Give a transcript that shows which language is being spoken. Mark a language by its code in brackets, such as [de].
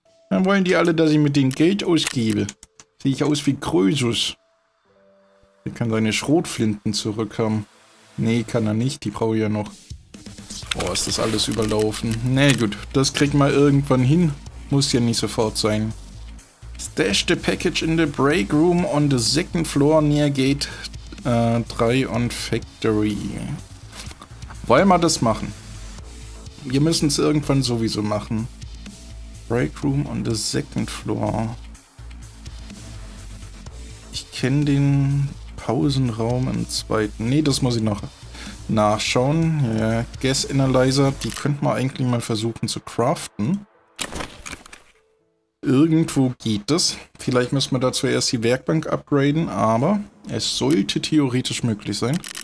[de] Dann wollen die alle, dass ich mit denen Geld ausgebe. Sehe ich aus wie Krösus. Der kann seine Schrotflinten zurückhaben. Nee, kann er nicht, die brauche ich ja noch. Boah, ist das alles überlaufen. Na gut, das kriegt man irgendwann hin. Muss ja nicht sofort sein. [en] Stash the package in the break room on the second floor near gate 3 und Factory. [de] Wollen wir das machen? Wir müssen es irgendwann sowieso machen. [en] Break room on the second floor. [de] Ich kenne den Pausenraum im zweiten. Nee, das muss ich noch nachschauen. Ja, Gas Analyzer, die könnten wir eigentlich mal versuchen zu craften. Irgendwo geht das. Vielleicht müssen wir da zuerst die Werkbank upgraden, aber es sollte theoretisch möglich sein.